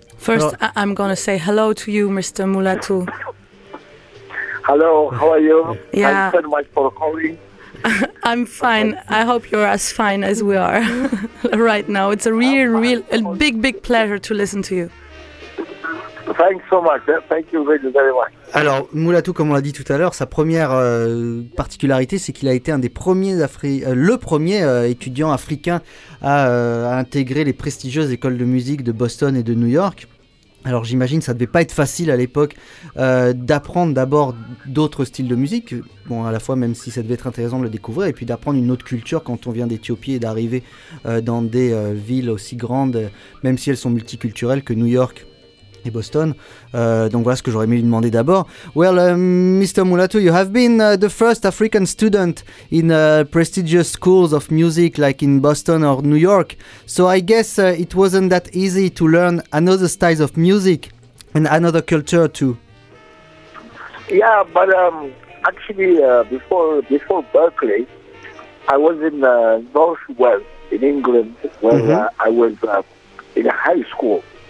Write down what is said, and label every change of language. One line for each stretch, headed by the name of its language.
English: First, I'm gonna say hello to you, Mr. Mulatu. Hello, how are you? Yeah. Thanks so much for calling. I'm fine. I hope you're as fine as we are right now. It's a real, big, big pleasure to listen to you. Thanks so much. Thank you very much.
French: Alors, Mulatu, comme on l'a dit tout à l'heure, sa première particularité, c'est qu'il a été un des premiers le premier étudiant africain à intégrer les prestigieuses écoles de musique de Boston et de New York. Alors, j'imagine que ça devait pas être facile à l'époque d'apprendre d'abord d'autres styles de musique. Bon, à la fois, même si ça devait être intéressant de le découvrir, et puis d'apprendre une autre culture quand on vient d'Éthiopie et d'arriver dans des villes aussi grandes, même si elles sont multiculturelles, que New York et Boston. Donc voilà ce que j'aurais aimé lui demander d'abord.
English: Well, Mr. Mulatu, you have been the first African student in prestigious schools of music like in Boston or New York. So I guess it wasn't that easy to learn another styles of music and another culture too. Yeah, but before Berkeley, I was in North Wales in England, where I was in high school.